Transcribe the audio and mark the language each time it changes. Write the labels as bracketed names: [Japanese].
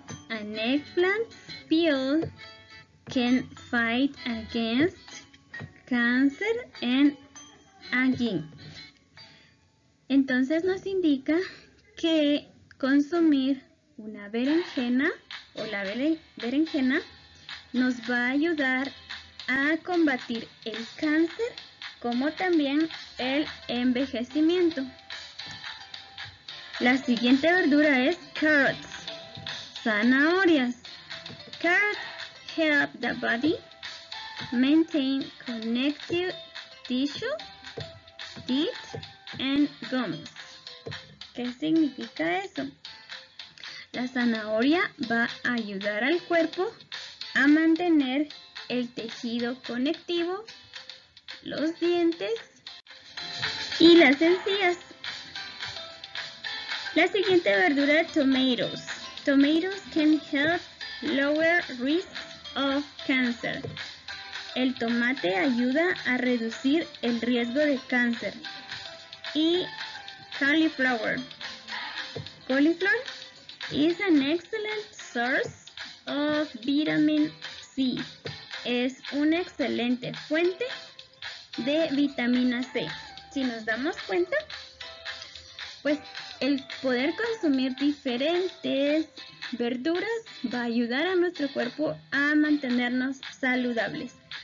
[English] An eggplant peel can fight against cancer and aging. [Spanish] Entonces nos indica que consumir una berenjena o la berenjena nos va a ayudar a combatir el cáncer como también el envejecimiento. La siguiente verdura es carrots, zanahorias. [English] Carrots help the body maintain connective tissue, teeth, and gums. [Spanish] ¿Qué significa eso? La zanahoria va a ayudar al cuerpo a mantener el tejido conectivo, los dientes y las encías. La siguiente verdura, tomatoes. [English] Tomatoes can help lower risk of cancer. [Spanish] El tomate ayuda a reducir el riesgo de cáncer. Y [English] cauliflower. Cauliflower is an excellent source of vitamin C. [Spanish] Es una excelente fuente de vitamina C. Si nos damos cuenta, pues el poder consumir diferentes verduras va a ayudar a nuestro cuerpo a mantenernos saludables.